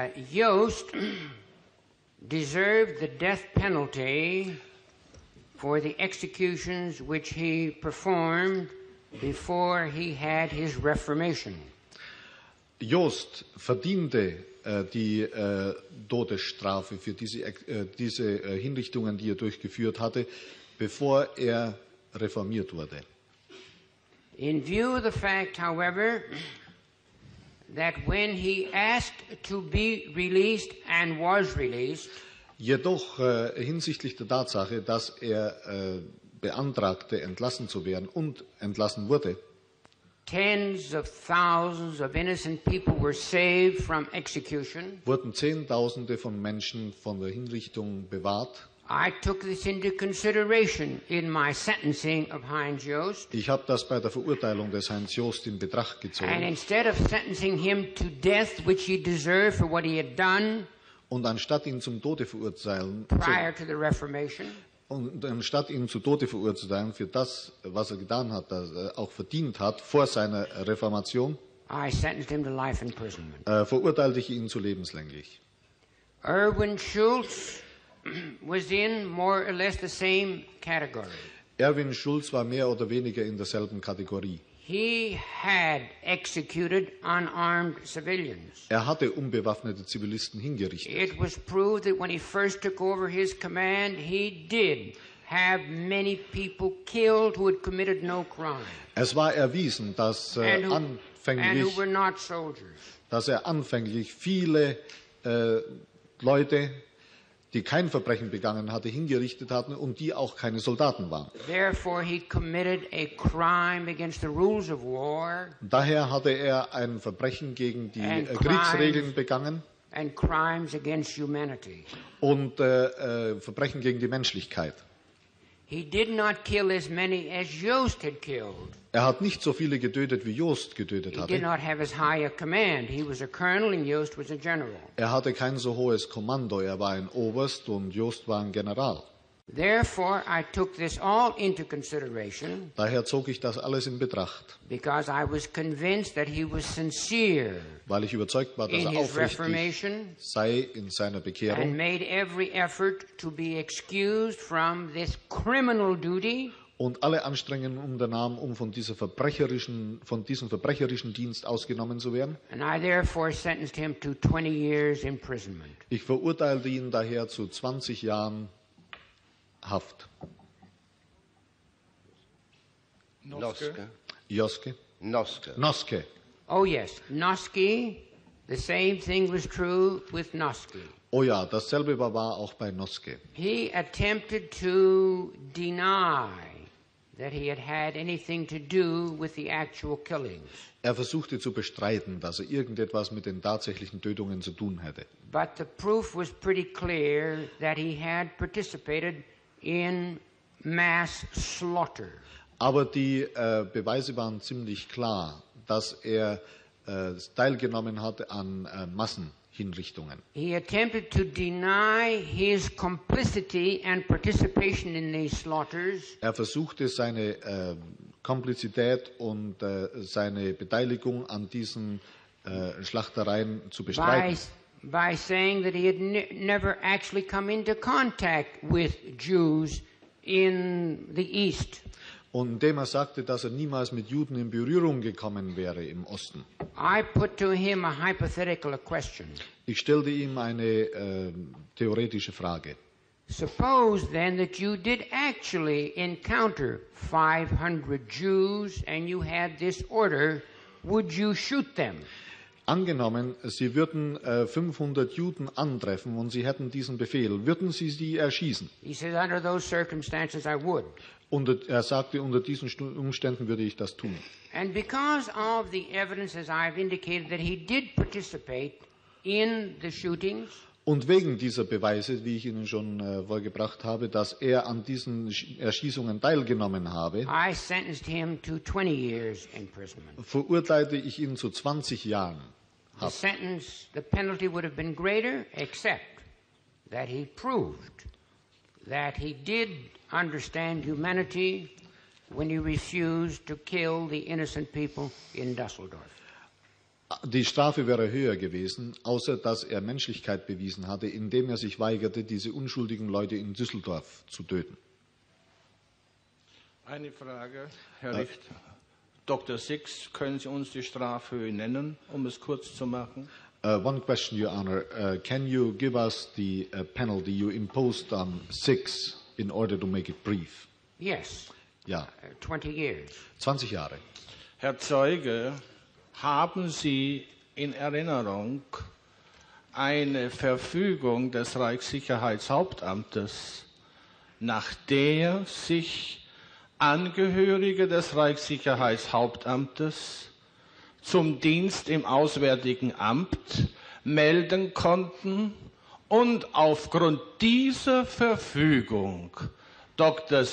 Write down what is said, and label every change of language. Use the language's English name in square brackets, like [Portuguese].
[English] Jost deserved the death penalty for the executions which he performed before he had his reformation. [German] Jost verdiente die Todesstrafe für diese Hinrichtungen, die er durchgeführt hatte, bevor er reformiert wurde. [English] In view of the fact, however, that when he asked to be released and was released, [German] jedoch hinsichtlich der Tatsache, dass er beantragte, entlassen zu werden und entlassen wurde, [English] tens of thousands of innocent people were saved from execution. [German] Wurden Zehntausende von Menschen von der Hinrichtung bewahrt. [English] I took this into consideration in my sentencing of Heinz Jost. [German] Ich habe das bei der Verurteilung des Heinz Jost in Betracht gezogen. [English] And instead of sentencing him to death, which he deserved for what he had done, [German] und anstatt ihn zum Tode verurteilen, [English] prior to the Reformation, [German] und anstatt ihn zu Tode verurteilen für das, was er getan hat, das er auch verdient hat vor seiner Reformation, [English] I sentenced him to life imprisonment. [German] Verurteilte ich ihn zu lebenslänglich. [English] Erwin Schulz was in more or less the same category. [German] Erwin Schulz war mehr oder weniger in derselben Kategorie. [English] He had executed unarmed civilians. [German] Er hatte unbewaffnete Zivilisten hingerichtet. [English] It was proved that when he first took over his command, he did have many people killed who had committed no crime. [German] Es war erwiesen, dass anfänglich viele Leute, die kein Verbrechen begangen hatte, hingerichtet hatten und die auch keine Soldaten waren. [English] Therefore he committed a crime against the rules of war. [German] Daher hatte er ein Verbrechen gegen die Kriegsregeln begangen [English] and crimes against humanity. [German] Und Verbrechen gegen die Menschlichkeit. [English] He did not kill as many as Jost had killed. [German] Er hat nicht so viele getötet, wie Jost getötet hatte. [English] He did not have as high a command. He was a colonel and Jost was a general. [German] Er hatte kein so hohes Kommando. Er war ein Oberst und Jost war ein General. [English] Therefore, I took this all into consideration. [German] Daher zog ich das alles in Betracht. [English] Because I was convinced that he was sincere. [German] Weil ich überzeugt war, dass er aufrichtig sei in seiner Bekehrung. [English] And made every effort to be excused from this criminal duty. [German] Und alle Anstrengungen unternahm, um von diesem verbrecherischen Dienst ausgenommen zu werden. [English] And I therefore sentenced him to 20 years imprisonment. [German] Ich verurteilte ihn daher zu 20 Jahren Haft. [English] Noske. Oh yes, Noske. The same thing was true with Noske. [German] Oh ja, dasselbe war auch bei Noske. [English] He attempted to deny that he had had anything to do with the actual killings. [German] Er versuchte zu bestreiten, dass er irgendetwas mit den tatsächlichen Tötungen zu tun hätte. [English] But the proof was pretty clear that he had participated in mass slaughter. [German] Aber die Beweise waren ziemlich klar, dass er teilgenommen hatte an Massenhinrichtungen. [English] He attempted to deny his complicity and participation in these slaughters. [German] Er versuchte seine Komplizität und seine Beteiligung an diesen Schlachtereien zu bestreiten. [English] By saying that he had never actually come into contact with Jews in the East. [German] Und indem er sagte, dass er niemals mit Juden in Berührung gekommen wäre im Osten. [English] I put to him a hypothetical question. [German] Ich stellte ihm eine theoretische Frage. [English] Suppose then that you did actually encounter 500 Jews and you had this order, would you shoot them? [German] Angenommen, Sie würden 500 Juden antreffen und Sie hätten diesen Befehl, würden Sie sie erschießen? [English] He says, under those circumstances I would. [German] Und er sagte, unter diesen Umständen würde ich das tun. [English] And because of the evidence, as I've indicated, that he did participate in the shootings. [German] Und wegen dieser Beweise, wie ich Ihnen schon vorgebracht habe, dass er an diesen Erschießungen teilgenommen habe, [English] I sentenced him to 20 years imprisonment. [German] Verurteilte ich ihn zu 20 Jahren Haft. [English] The sentence, the penalty would have been greater, except that he proved that he did understand humanity when he refused to kill the innocent people in Düsseldorf. [German] Die Strafe wäre höher gewesen, außer dass er Menschlichkeit bewiesen hatte, indem er sich weigerte, diese unschuldigen Leute in Düsseldorf zu töten. Eine Frage, Herr Richter. Dr. Six, können Sie uns die Strafhöhe nennen, um es kurz zu machen? [English] One question, Your Honor. Can you give us the penalty you imposed on Six in order to make it brief? Yes. [German] Ja. [English] 20 years. [German] 20 Jahre. Herr Zeuge, haben Sie in Erinnerung eine Verfügung des Reichssicherheitshauptamtes, nach der sich Angehörige des Reichssicherheitshauptamtes zum Dienst im Auswärtigen Amt melden konnten und aufgrund dieser Verfügung Dr.